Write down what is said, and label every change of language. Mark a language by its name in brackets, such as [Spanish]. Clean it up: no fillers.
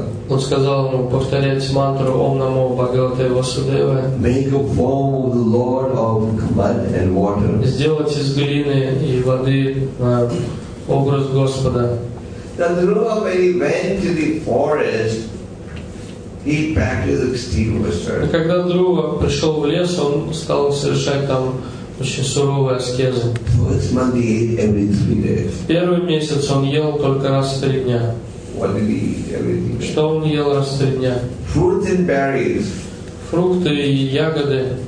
[Russian] Он сказал ему повторять мантру Ом Намо Бхагавате Васудевая. [English] Make a form of the Lord of mud and water. [Russian] Сделать из глины и воды образ Господа. [English] The Dhruva, when he went to the forest, he practiced extreme austerity. [Russian] Когда Друва пришел в лес, он стал совершать там очень суровые аскезы. [English] First month he ate every 3 days. [Russian] Первый месяц он ел только раз в 3 дня. [English] What did he eat every 3 days? [Russian] Что он ел раз в 3 дня? [English] Fruits and berries. [Russian] Фрукты и ягоды.